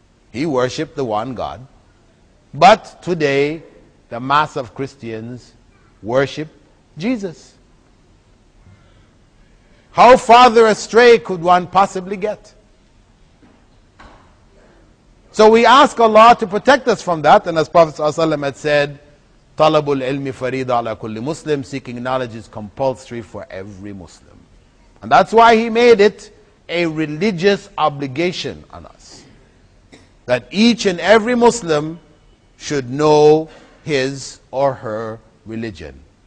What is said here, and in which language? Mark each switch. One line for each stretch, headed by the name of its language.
English: He worshipped the one God. But today, the mass of Christians worship Jesus. How farther astray could one possibly get? So we ask Allah to protect us from that. And as Prophet ﷺ had said,
Arabic: طَلَبُ الْعِلْمِ فَرِيدَ عَلَىٰ كُلِّ مُسْلِمٍ.
English: Seeking knowledge is compulsory for every Muslim. And that's why he made it a religious obligation on us. That each and every Muslim should know his or her religion.